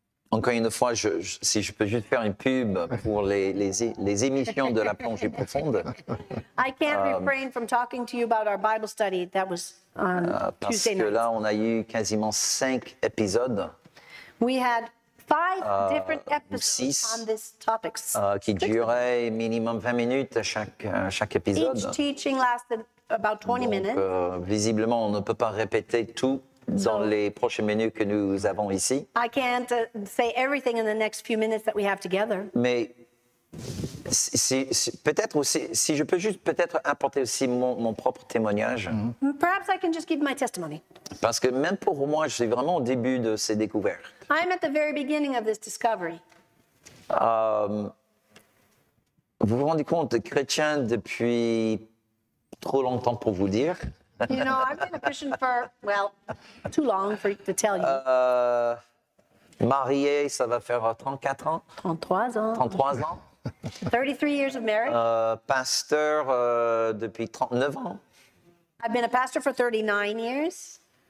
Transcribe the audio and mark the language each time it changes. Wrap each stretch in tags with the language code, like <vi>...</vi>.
<fr>Encore une fois, si je peux juste faire une pub pour les émissions de la plongée profonde.</fr> <en>I can't refrain from talking to you about our Bible study that was on Tuesday night.</en> <fr>Parce que là, on a eu quasiment 5 épisodes.</fr> <en>We had 5 different episodes 6, on this topic.</en> <fr>Qui duraient minimum 20 minutes à chaque épisode.</fr> <en>Each teaching lasted about 20</en> <fr>Donc,</fr> <en>minutes.</en> <fr>Visiblement, on ne peut pas répéter tout. Dans les prochains menus que nous avons ici.</fr> <en>I can't say everything in the next few minutes that we have together.</en> <fr>Mais si peut-être aussi, si je peux juste peut-être apporter aussi mon propre témoignage. Mm-hmm.</fr> <en>Perhaps I can just give my testimony.</en> <fr>Parce que même pour moi, je suis vraiment au début de ces découvertes.</fr> <en>I'm at the very beginning of this discovery.</en> <fr>Vous vous rendez compte, chrétien depuis trop longtemps pour vous dire.</fr> <en>You know, I've been a Christian for, well, too long for to tell you.</en> <fr>Marié, ça va faire 34 ans. 33 ans. 33 ans.</fr> <en>33 years of marriage.</en> <fr>Pasteur depuis 39 ans.</fr> <en>I've been a pastor for 39 years.</en>